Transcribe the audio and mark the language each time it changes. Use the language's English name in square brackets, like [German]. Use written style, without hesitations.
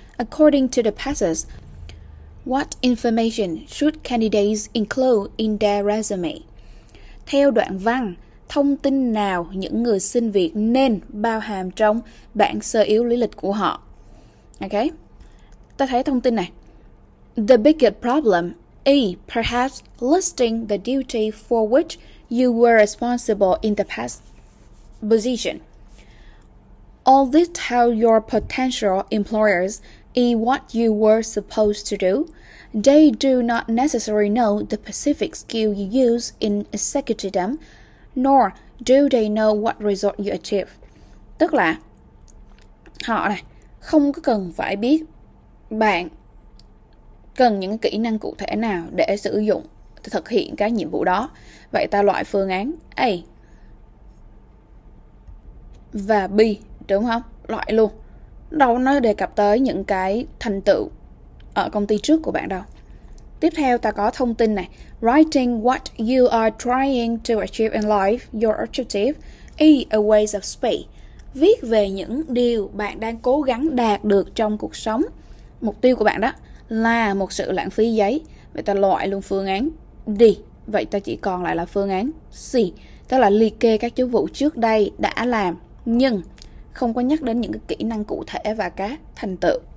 [English] According to the passage, what information should candidates include in their resume? [Vietnamese] Theo đoạn văn, thông tin nào những người xin việc nên bao hàm trong bản sơ yếu lý lịch của họ? Ok, ta thấy thông tin này. [English] The biggest problem is perhaps listing the duty for which you were responsible in the past position. All this tells your potential employers is what you were supposed to do. They do not necessarily know the specific skill you use in executing them, nor do they know what result you achieve. [Vietnamese] Tức là họ này không có cần phải biết bạn cần những kỹ năng cụ thể nào để sử dụng thực hiện cái nhiệm vụ đó. Vậy ta loại phương án A và B, đúng không? Loại luôn. Đâu nó đề cập tới những cái thành tựu ở công ty trước của bạn đâu. Tiếp theo ta có thông tin này. [English] Writing what you are trying to achieve in life, your objective, is a waste of space. [Vietnamese] Viết về những điều bạn đang cố gắng đạt được trong cuộc sống, mục tiêu của bạn đó, là một sự lãng phí giấy. Vậy ta loại luôn phương án D. Vậy ta chỉ còn lại là phương án C, tức là liệt kê các chức vụ trước đây đã làm nhưng không có nhắc đến những cái kỹ năng cụ thể và các thành tựu.